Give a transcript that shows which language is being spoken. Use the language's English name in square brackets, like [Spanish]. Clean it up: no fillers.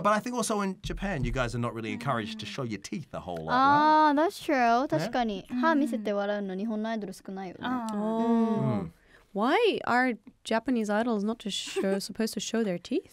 [English] But I think also in Japan, you guys are not really encouraged to show your teeth a whole lot. Ah, right? That's true. [Japanese] 確かに。歯見せて笑うの日本のアイドル少ないよね。 [English] Why are Japanese idols not to show, supposed to show their teeth?